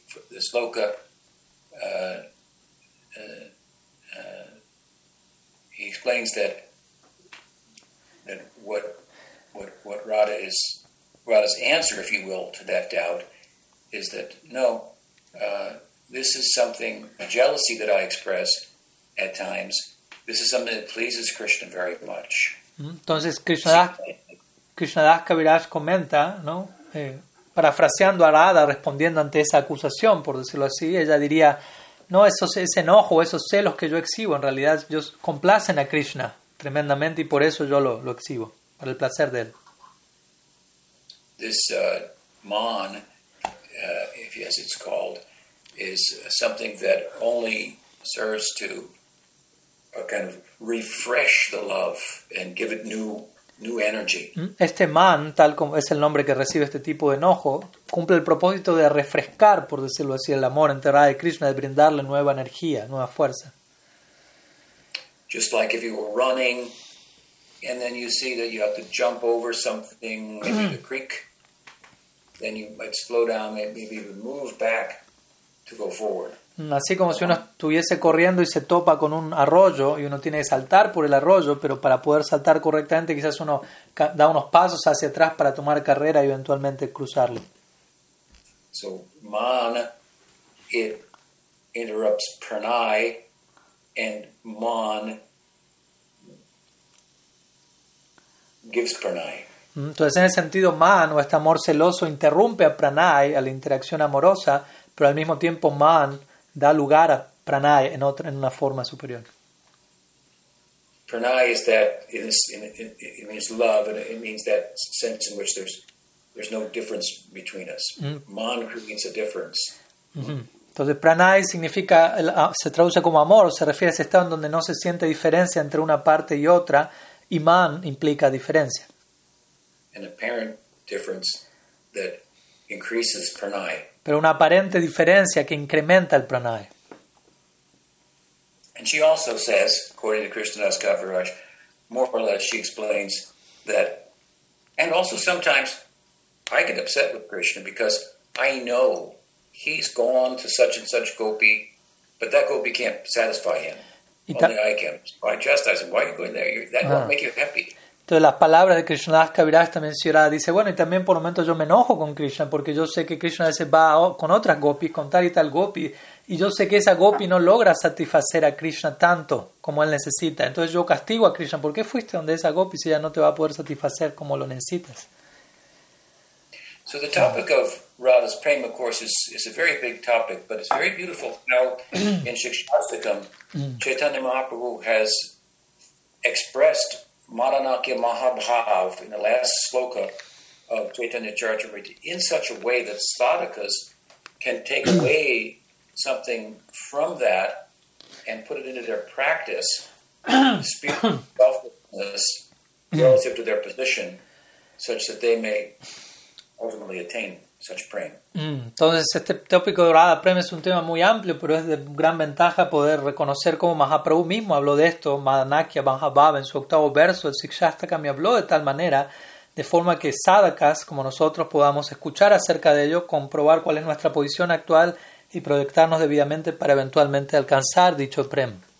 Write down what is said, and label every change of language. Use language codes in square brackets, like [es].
[en] the sloka he explains that what Radha is, Radha's answer, if you will, to that doubt is that no, this is something, a jealousy that I express at times, this is something that pleases Krishna very much. [es] Entonces Krishnadas Kaviraj comenta, ¿no? Parafraseando a Radha, respondiendo ante esa acusación, por decirlo así, ella diría, no, ese enojo, esos celos que yo exhibo, en realidad ellos complacen a Krishna tremendamente y por eso yo lo exhibo, para el placer de él. [en] This man, if yes it's called, is something that only serves to kind of refresh the love and give it new energy. [es] Este man, tal como es el nombre que recibe este tipo de enojo, cumple el propósito de refrescar, por decirlo así, el amor entre Radha y Krishna, de brindarle nueva energía, nueva fuerza. [en] Just like if you were running and then you see that you have to jump over something, maybe the creek, then you might slow down, maybe even move back to go forward. [es] Así como si uno estuviese corriendo y se topa con un arroyo y uno tiene que saltar por el arroyo, pero para poder saltar correctamente quizás uno da unos pasos hacia atrás para tomar carrera y eventualmente cruzarlo. [en] So, mana, it interrupts pranay, and man gives pranay. [es] Entonces, en ese sentido, man, o este amor celoso, interrumpe a pranay, a la interacción amorosa, pero al mismo tiempo man da lugar a pranay en una forma superior. [en] Pranay is that it means love and it means that sense in which there's no difference between us. Man creates a difference. [es] Entonces pranay significa, se traduce como amor, se refiere a ese estado en donde no se siente diferencia entre una parte y otra, y man implica diferencia. [en] An apparent difference that increases pranay. [es] Pero una aparente diferencia que incrementa el pranay. [en] And she also says, according to Krishnadas Kaviraj, more or less she explains that, and also sometimes I get upset with Krishna because I know he's gone to such and such gopi, but that gopi can't satisfy him. Only I can. So I chastise him. Why are you going there? That won't make you happy. [es] Entonces las palabras de Krishnadas Kaviraj también mencionadas, dice, bueno, y también por momentos yo me enojo con Krishna porque yo sé que Krishna a veces va con otras gopis, con tal y tal gopi, y yo sé que esa gopi no logra satisfacer a Krishna tanto como él necesita. Entonces yo castigo a Krishna, ¿por qué fuiste donde esa gopi si ella no te va a poder satisfacer como lo necesitas? [en] So the topic of Radha's prema, of course, is a very big topic, but it's very beautiful. Now, in Shikshastakam, Chaitanya Mahaprabhu has expressed Madanakya Mahabhav in the last sloka of Chaitanya Charitamrita in such a way that sadhakas can take away something from that and put it into their practice, speaking selflessness relative to their position, such that they may ultimately attain such prema. [es] Entonces, este tópico de Radha Prema es un tema muy amplio, pero es de gran ventaja poder reconocer cómo Mahaprabhu mismo habló de esto, Madanakya Mahabhava, en su octavo verso, el Sikshastaka me habló de tal manera, de forma que sadhakas, como nosotros, podamos escuchar acerca de ello, comprobar cuál es nuestra posición actual y proyectarnos debidamente para eventualmente alcanzar dicho Prema.